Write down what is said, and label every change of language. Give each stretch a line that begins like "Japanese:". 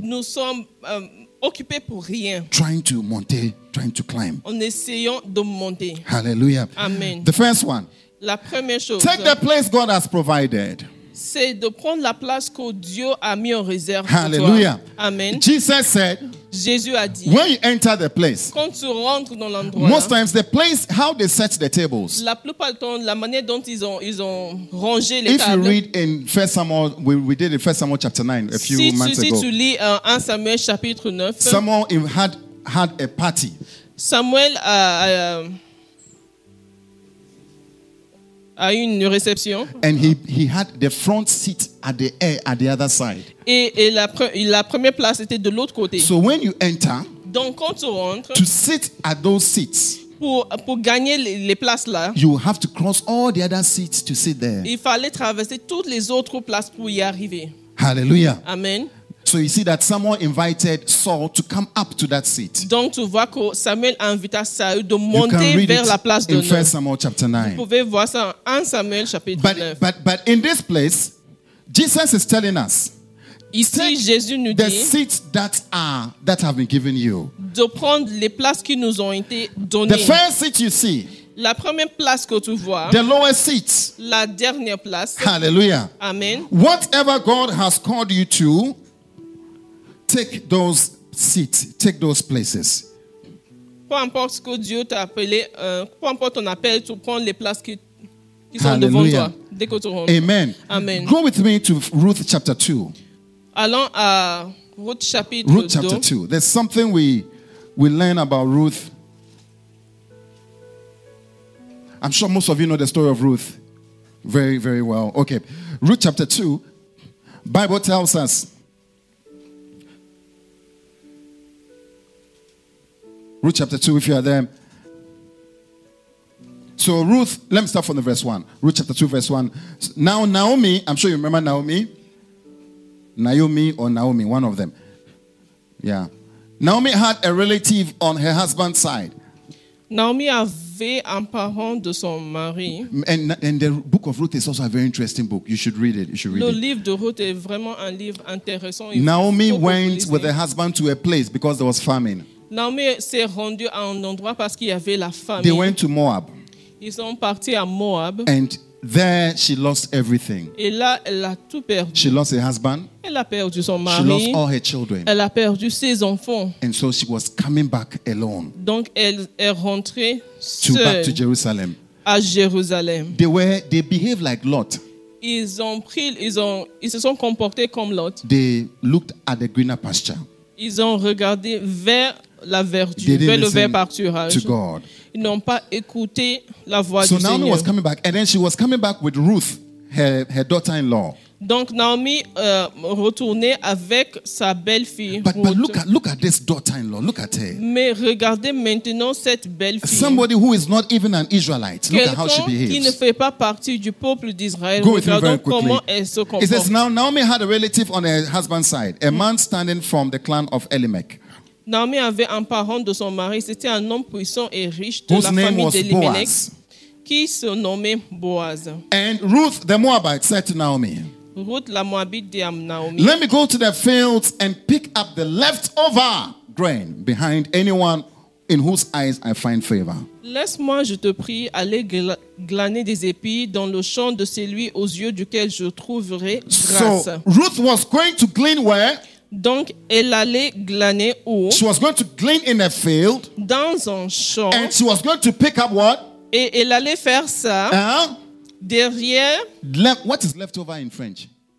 French: Nous sommes occupé pour rien.
English: Trying to monter, trying to climb.
French: En essayant de monter. Hallelujah. Amen.
English: The first one.
French: La première chose.
English: Take the place God has provided.
French: C'est de prendre la place que Dieu a mis en réserve. Hallelujah. Pour toi. Amen.
English: Jesus said.
French: Jésus a dit.
English: When you enter the place.
French: Quand tu rentres dans l'endroit.
English: Most times the place, how they set the tables.
French: La plupart du temps, la manière dont ils ont rangé les
English: if
French: tables.
English: If you read in 1 Samuel, we did in 1 Samuel chapter 9 a few months ago.
French: Si tu lis 1 Samuel chapitre 9.
English: Samuel had a party.
French: Samuel a eu une réception.
English: And he had the front seat at the air at the other side.
French: Et la première place était de l'autre côté.
English: So when you enter,
French: donc quand tu rentres,
English: to sit at those seats,
French: pour gagner les places là,
English: you have to cross all the other seats to sit there.
French: Il fallait traverser toutes les autres places pour y arriver. Hallelujah. Amen.
English: So you see that Samuel invited Saul to come up to that seat.
French: Donc tu vois que Samuel invita Saul de monter vers la place d'honneur.
English: You can read it in 1 Samuel chapter 9.
French: Vous pouvez voir ça en 1 Samuel chapitre 9.
English: But in this place, Jesus is telling us.
French: Ici, Jésus nous
English: the The seats that have been given you.
French: De prendre les places qui nous ont été données.
English: The first seat you see.
French: La première place que tu vois.
English: The lower seat.
French: La dernière place. Hallelujah. Amen.
English: Whatever God has called you to. Take those seats. Take those places.
French: Peu importe ce que Dieu t'a appelé, peu importe ton appel, tu prends les places qui sont Hallelujah. Devant toi. Amen. Amen.
English: Go with me to Ruth chapter 2.
French: Allons à Ruth chapitre 2.
English: Ruth chapter 2. There's something we learn about Ruth. I'm sure most of you know the story of Ruth very, very well. Okay. Ruth chapter 2. Bible tells us. Ruth chapter 2, if you are there. So Ruth, let me start from the verse 1. Ruth chapter 2, verse 1. Now Naomi, I'm sure you remember Naomi. Naomi or Naomi, one of them. Yeah. Naomi had a relative on her husband's side.
French: Naomi avait un parent de son mari.
English: And the book of Ruth is also a very interesting book. You should read it. You should read
French: Le
English: it.
French: Le livre de Ruth est vraiment un livre intéressant.
English: Naomi went with her husband to a place because there was famine.
French: Naomi s'est rendu à un endroit parce qu'il y avait la famine.
English: They went to Moab.
French: Ils sont partis à Moab.
English: And There, she lost everything.
French: Et là, elle a tout perdu.
English: She lost her husband.
French: Elle a perdu son mari.
English: She lost all her children.
French: Elle a perdu ses enfants.
English: And so she was coming back alone.
French: Donc, elle est rentrée seule.
English: Back to Jerusalem.
French: À Jérusalem.
English: They behaved like Lot.
French: Ils se sont comportés comme Lot.
English: They looked at the greener pasture.
French: Ils ont regardé vers la verdure, vers le vert pâturage.
English: To God.
French: Ils n'ont pas écouté la voix
English: so
French: du Seigneur.
English: So Naomi was coming back, and then she was coming back with Ruth, her daughter-in-law.
French: Donc Naomi retournait avec sa belle-fille.
English: But look at this daughter-in-law. Look at her.
French: Mais regardez maintenant cette belle-fille.
English: Somebody who is not even an Israelite. Look at how she behaves.
French: Quelqu'un qui ne fait pas partie du peuple d'Israël. Regardons comment elle se comporte.
English: It says now Naomi had a relative on her husband's side, a man standing from the clan of Elimelech.
French: Naomi avait un parent de son mari. C'était un homme puissant et riche de la famille d'Elimelech, qui se nommait Boaz.
English: And Ruth the Moabite said to Naomi.
French: Ruth la Moabite dit à Naomi.
English: Let me go to the fields and pick up the leftover grain behind anyone in whose eyes I find favor.
French: Laisse-moi, je te prie, aller glaner des épis dans le champ de celui aux yeux duquel je trouverai grâce.
English: So Ruth was going to glean where?
French: Donc, elle allait glaner où?
English: She was going to glean in a field.
French: Dans un champ.
English: And she was going to pick up what?
French: Et elle allait faire ça. Derrière.
English: What is left over in French?